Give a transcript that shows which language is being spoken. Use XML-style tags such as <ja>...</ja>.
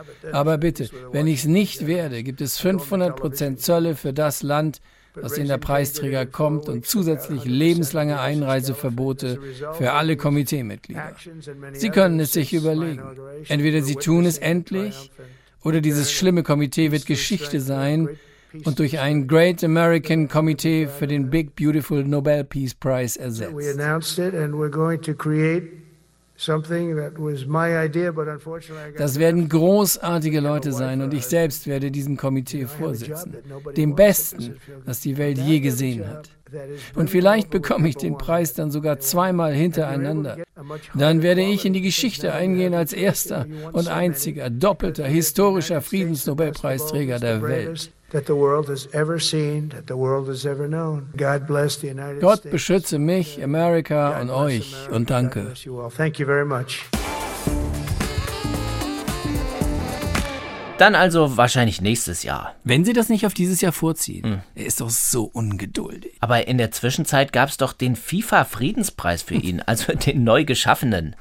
<de>Aber bitte, wenn ich es nicht werde, gibt es 500% Zölle für das Land, aus dem der Preisträger kommt und zusätzlich lebenslange Einreiseverbote für alle Komiteemitglieder. Sie können es sich überlegen. Entweder Sie tun es endlich oder dieses schlimme Komitee wird Geschichte sein und durch ein Great American Committee für den Big Beautiful Nobel Peace Prize ersetzt.</de> <en>We announced it and we're going to create something that was my idea, but unfortunately I got.</en> <de>Das werden großartige Leute sein und ich selbst werde diesem Komitee vorsitzen, dem besten, das die Welt je gesehen hat. Und vielleicht bekomme ich den Preis dann sogar zweimal hintereinander. Dann werde ich in die Geschichte eingehen als erster und einziger doppelter historischer Friedensnobelpreisträger der Welt.</de> <en>That the world has ever seen, that the world has ever known. God bless the United States.</en> <de>Gott beschütze mich, Amerika, und euch, und danke.</de> <en>Thank you very much.</en> <de>Dann also wahrscheinlich nächstes Jahr. Wenn sie das nicht auf dieses Jahr vorziehen. Hm. Er ist doch so ungeduldig. Aber in der Zwischenzeit gab es doch den FIFA-Friedenspreis für ihn, also den neu geschaffenen.</de>